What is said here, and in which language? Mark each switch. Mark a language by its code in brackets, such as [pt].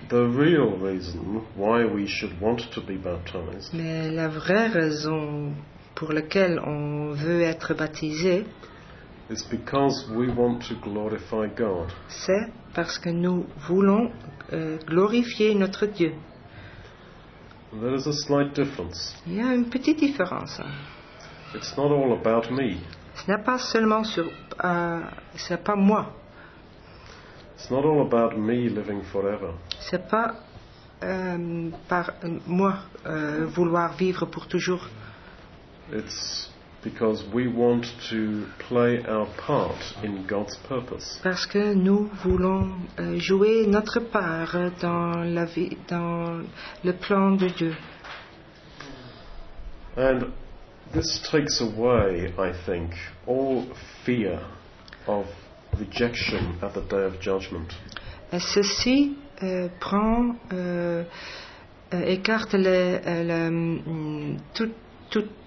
[en] the real reason why we should want to be baptized. [fr] Mais la vraie raison pour laquelle on veut être baptisé. [en] Is because we want to glorify God. [fr] C'est parce que nous voulons glorifier notre Dieu. [en] There is a slight difference. [fr] Il y a une petite différence. [en] It's not all about me. [fr] Ce n'est pas seulement sur c'est pas moi. [en] It's not all about me living forever. [fr] C'est pas par moi vouloir vivre pour toujours. [en] It's because we want to play our part in God's purpose. [fr] Parce que nous voulons jouer notre part dans la vie, dans le plan de Dieu. [en] And this takes away, I think, all fear of rejection at the day of judgment. [fr] Et ceci prend écarte le tout